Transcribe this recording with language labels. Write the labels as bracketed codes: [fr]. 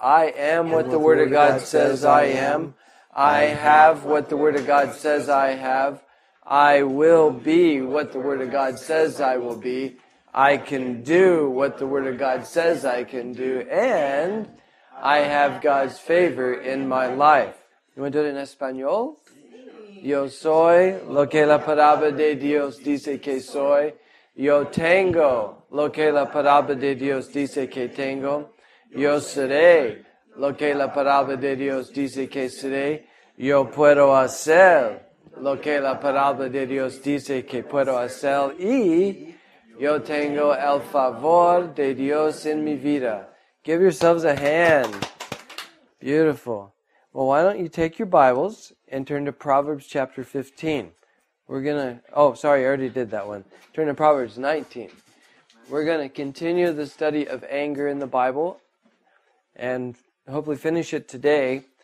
[en] I am what the Word of God says I am. I have what the Word of God says I have. I will be what the Word of God says I will be. I can do what the Word of God says I can do, and I have God's favor in my life. You want to do it in Espanol? [es] Yo soy lo que la palabra de Dios dice que soy. Yo tengo lo que la palabra de Dios dice que tengo. Yo seré lo que la palabra de Dios dice que seré. Yo puedo hacer lo que la palabra de Dios dice que puedo hacer. Y yo tengo el favor de Dios en mi vida. [en] Give yourselves a hand. Beautiful. Well, why don't you take your Bibles and turn to Proverbs chapter 15. I already did that one. Turn to Proverbs 19. We're going to continue the study of anger in the Bible and hopefully finish it today.